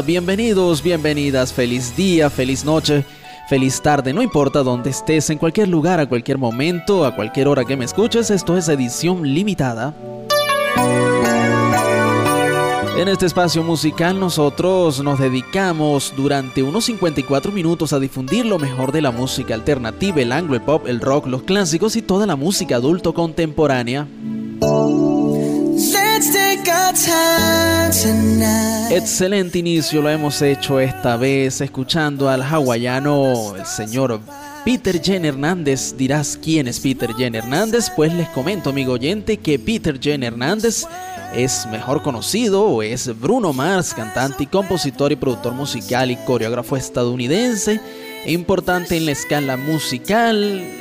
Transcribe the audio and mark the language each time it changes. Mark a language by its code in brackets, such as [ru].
[es] Bienvenidos, bienvenidas, feliz día, feliz noche, feliz tarde, no importa dónde estés, en cualquier lugar, a cualquier momento, a cualquier hora que me escuches, esto es Edición Limitada. En este espacio musical nosotros nos dedicamos durante unos 54 minutos a difundir lo mejor de la música alternativa, el anglo, el pop, el rock, los clásicos y toda la música adulto contemporánea. [en] Let's take our time tonight. [es] Excelente inicio lo hemos hecho esta vez escuchando al hawaiano, el señor Peter Jen Hernández. Dirás, ¿quién es Peter Jen Hernández? Pues les comento, amigo oyente, que Peter Jen Hernández es mejor conocido, o es Bruno Mars, cantante y compositor y productor musical y coreógrafo estadounidense, importante en la escala musical.